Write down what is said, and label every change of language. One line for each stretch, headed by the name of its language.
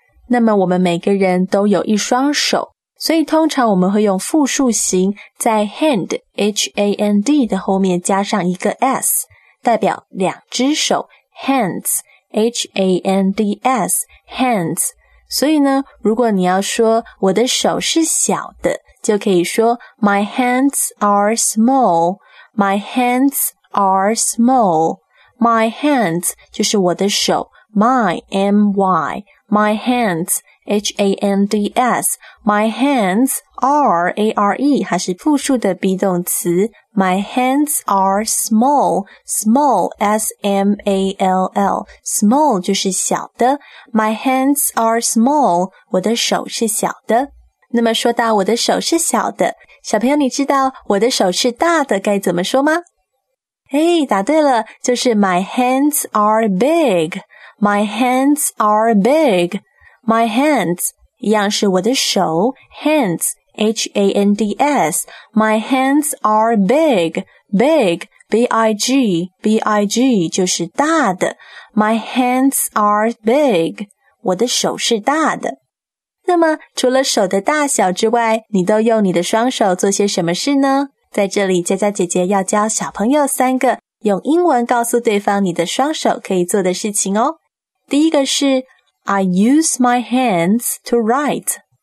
Chinese: 那么我们每个人都有一双手，所以通常我们会用复数形在 hand, H-A-N-D 的后面加上一个 s, 代表两只手 ,hands, H-A-N-D-S, hands。所以呢，如果你要说我的手是小的，就可以说
English: my hands are small,
Chinese: my hands are small,
English: my hands
Chinese: 就是我的手
English: my, M-Y,My hands, H-A-N-D-S, my hands are, A-R-E,
Chinese: 还是复数的 be 动词
English: my hands are small, small, S-M-A-L-L, small
Chinese: 就是小的
English: my hands are small,
Chinese: 我的手是小的。
English: 那么说到我的手是小的，小朋友你知道我的手是大的该怎么说吗？
Chinese: 诶，答对了，就是
English: my hands are big,My hands are big. My hands, 一样是我的手 ,hands, H-A-N-D-S. My hands are big. Big, B-I-G, B-I-G,
Chinese: 就是大的。
English: My hands are big.
Chinese: 我的手是大的。那么除了手的大小之外，你都用你的双手做些什么事呢？在这里佳佳姐姐要教小朋友三个用英文告诉对方你的双手可以做的事情哦。第一个是
English: I use my hands to write.